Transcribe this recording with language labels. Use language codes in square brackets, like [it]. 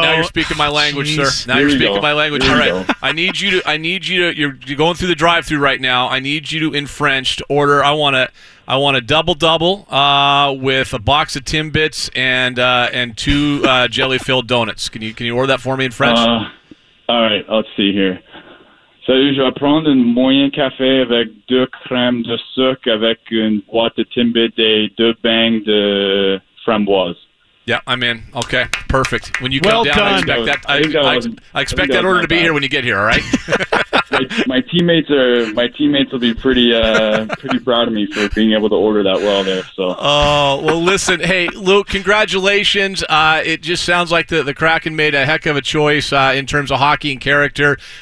[en] Now you're speaking my language, sir. Here we go. I need you to. You're going through the drive-through right now. I need you to in French to order. I want a double-double with a box of Timbits and two jelly-filled donuts. Can you order that for me in French? All right. Let's see here. [fr] Salut, je vais prendre un moyen café avec deux crèmes de sucre avec une boîte de Timbits et deux beignes de framboise. [en] Yeah, I'm in. Okay, perfect. When you come down, done. I expect that order to be here when you get here, all right? My teammates will be pretty proud of me for being able to order that well there. So. Oh, well, listen, hey, Luke, congratulations. It just sounds like the Kraken made a heck of a choice in terms of hockey and character.